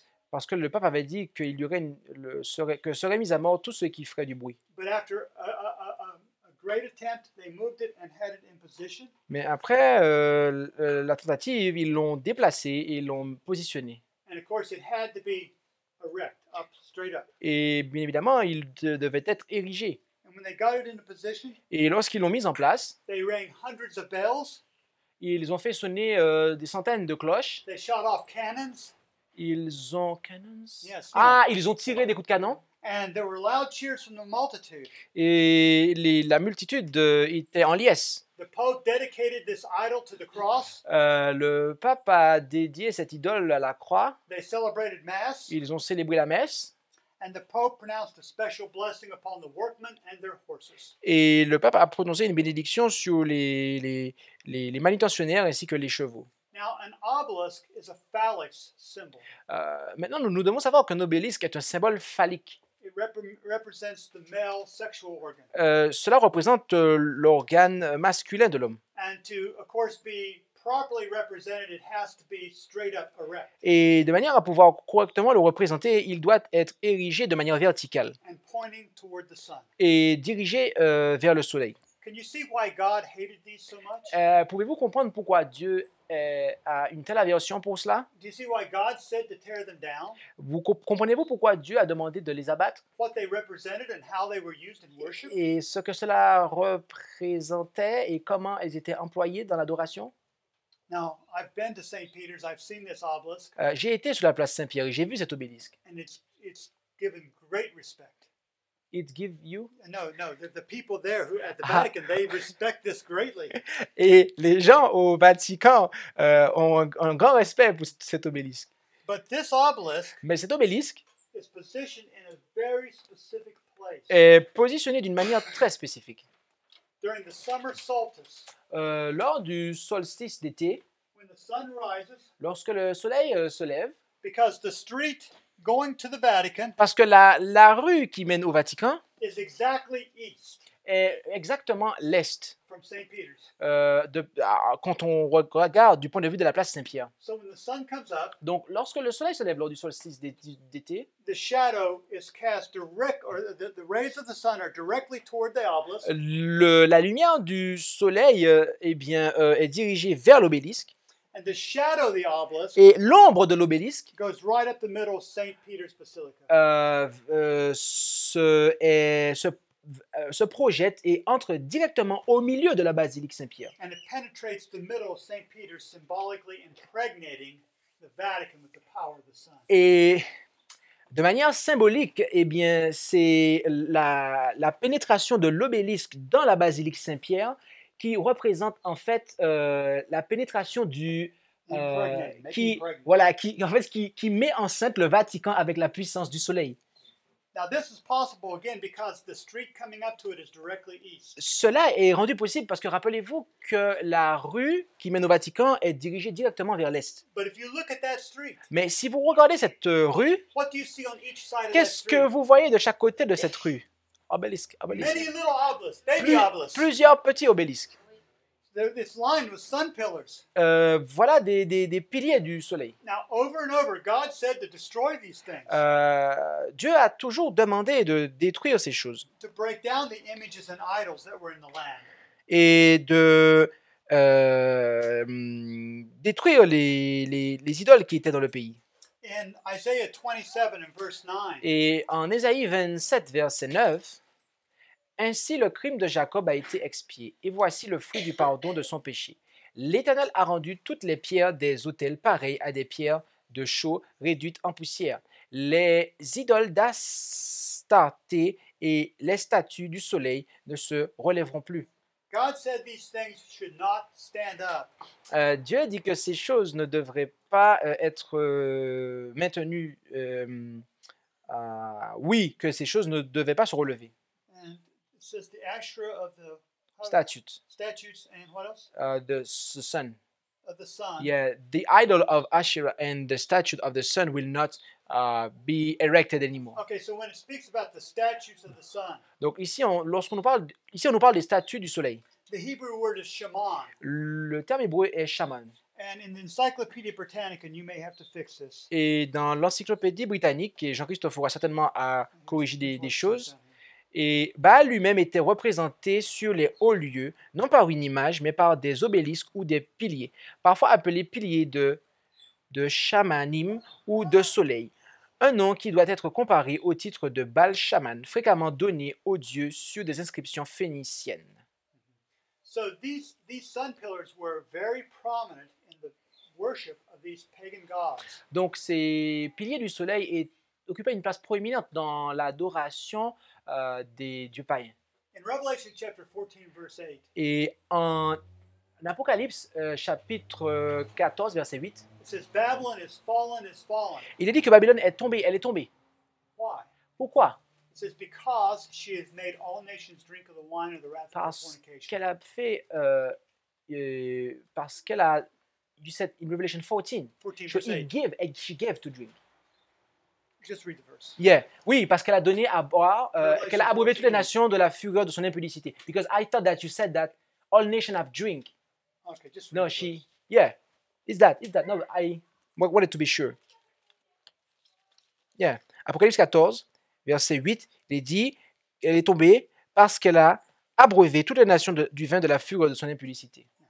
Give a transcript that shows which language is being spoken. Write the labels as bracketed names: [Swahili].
[French] Parce que le pape avait dit qu'il y aurait que serait mis à mort tous ceux qui feraient du bruit. [English] But after a great attempt, they moved it and had it in position. [French] Mais après la tentative, ils l'ont déplacé et l'ont positionné. [English] And of course, it had to be erect, up, straight up. [French] Et bien évidemment, il devait être érigé. [English] And when they got it into position, [French] et lorsqu'ils l'ont mis en place, [English] they rang hundreds of bells. [French] Ils ont fait sonner des centaines de cloches. [English] They shot off cannons. [French] Ils ont cannons. [English] Yes, ah, know. [French] Ils ont tiré des coups de canon. [English] And there were loud cheers from the multitude. [French] Et la multitude était en liesse. [English] The Pope dedicated this idol to the cross. [French] Le pape a dédié cette idole à la croix. [English] They celebrated mass. [French] Ils ont célébré la messe. [English] And the Pope pronounced a special blessing upon the workmen and their horses. [French] Et le pape a prononcé une bénédiction sur les manutentionnaires ainsi que les chevaux. [English] Now, an obelisk is a phallic symbol. [French] Maintenant, nous devons savoir qu'un obélisque est un symbole phallique. [English] It represents the male sexual organ. [French] Cela représente l'organe masculin de l'homme. [English] And to, of course, be properly represented, it has to be straight up erect. [French] Et de manière à pouvoir correctement le représenter, il doit être érigé de manière verticale. [English] And pointing toward the sun. [French] Et dirigé vers le soleil. [English] Can you see why God hated these so much? [French] Pouvez-vous comprendre pourquoi Dieu a une telle aversion pour cela? [English] Do you see why God said to tear them down? [French] Vous comprenez-vous pourquoi Dieu a demandé de les abattre? [English] What they represented and how they were used in worship? [French] Et ce que cela représentait et comment ils étaient employés dans l'adoration? [English] Now, I've been to St. Peter's. I've seen this obelisk. [French] J'ai été sur la place Saint-Pierre et j'ai vu cet obélisque. [English] And it's given great respect. It give you? No. The people there who at the Vatican, they respect this greatly. [French] Et les gens au Vatican ont un grand respect pour cet obélisque. [English] But this obelisk. [French] Mais cet obélisque [English] is positioned in a very specific place. [French] Est positionné d'une manière très spécifique. [English] During the summer solstice. [French] Lors du solstice d'été. [English] When the sun rises. [French] Lorsque le soleil se lève. [English] Because the street going to the Vatican. [French] Parce que la rue qui mène au Vatican [English] is exactly east. [French] Est exactement l'est. [English] From St. Peter's. [French] Quand on regarde du point de vue de la place Saint-Pierre. [English] So when the sun comes up. [French] Donc lorsque le soleil se lève lors du solstice d'été. [English] The shadow is cast direct, or the rays of the sun are directly toward the obelisk. [French] La lumière du soleil est dirigée vers l'obélisque. [English] And the shadow of the obelisk. [French] Et l'ombre de l'obélisque [English] goes right up the middle of St. Peter's Basilica. [French] Se projette et entre directement au milieu de la basilique Saint-Pierre. [English] And it penetrates the middle of St. Peter's, symbolically impregnating the Vatican with the power of the sun. [French] Et de manière symbolique, eh bien, c'est la pénétration de l'obélisque dans la basilique Saint-Pierre qui représente en fait la pénétration du qui met enceinte le Vatican avec la puissance du soleil. [English] Now this is possible again because the street coming up to it is directly east. [French] Cela est rendu possible parce que rappelez-vous que la rue qui mène au Vatican est dirigée directement vers l'est. [English] But if you look at that street, [French] mais si vous regardez cette rue, [English] what do you see on each side of [French] qu'est-ce [English] that [French] que vous voyez de chaque côté de cette rue? Obélisque. [English] Many little obelisks, baby obelisks. [French] Plusieurs petits obélisques. [English] This line with sun pillars. [French] Voilà des piliers du soleil. [English] Now, over and over, God said to destroy these things. [French] Dieu a toujours demandé de détruire ces choses. [English] To break down the images and idols that were in the land. [French] Et de détruire les idoles qui étaient dans le pays. [English] In Isaiah 27 and verse 9. [French] Et en Ésaïe 27, verset 9, ainsi le crime de Jacob a été expié, et voici le fruit du pardon de son péché. L'Éternel a rendu toutes les pierres des autels pareilles à des pierres de chaux réduites en poussière. Les idoles d'Astarté et les statues du soleil ne se relèveront plus. [English] God said these things should not stand up. [French] Dieu dit que ces choses ne devraient pas être maintenues. Que ces choses ne devaient pas se relever. [English] And it says the Asherah of the statutes. Statutes and what else? The sun. Of the sun. Yeah, the idol of Asherah and the statue of the sun will not be erected anymore. Okay, so when it speaks about the statues of the sun. [French] Donc ici, on nous parle des statues du soleil. [English] The Hebrew word is shaman. [French] Le terme hébreu est shaman. [English] And in the Encyclopedia Britannica, you may have to fix this. [French] Et dans l'Encyclopédie britannique, et Jean-Christophe aura certainement à corriger des choses. Et Baal lui-même était représenté sur les hauts lieux, non par une image, mais par des obélisques ou des piliers, parfois appelés piliers de shamanim ou de soleil. Un nom qui doit être comparé au titre de Baal Shaman, fréquemment donné aux dieux sur des inscriptions phéniciennes. [English] So these sun pillars were very prominent in the worship of these pagan gods. [French] Donc ces piliers du soleil occupaient une place proéminente dans l'adoration des dieux païens. [English] In Revelation chapter 14, verse 8. [French] Et en Apocalypse chapitre 14 verset 8. [English] It says Babylon is fallen, is fallen. [French] Il est dit que Babylone est tombée, elle est tombée. [English] Why? [French] Pourquoi? [English] It says because she has made all nations drink of the wine of the wrath of fornication. [French] Parce qu'elle a [English] you said in Revelation 14. She gave to drink. Just read the verse. Yeah. [French] Oui, parce qu'elle a donné à boire, qu'elle a abreuvé toutes les nations de la fureur de son impudicité. [English] Because I thought that you said that all nations have drink. Okay, just read no, she. Verse. Yeah. Is that? No, I wanted to be sure. Yeah. [French] Apocalypse 14, verset 8, il est dit, elle est tombée parce qu'elle a abreuvé toutes les nations du vin de la fureur de son impudicité.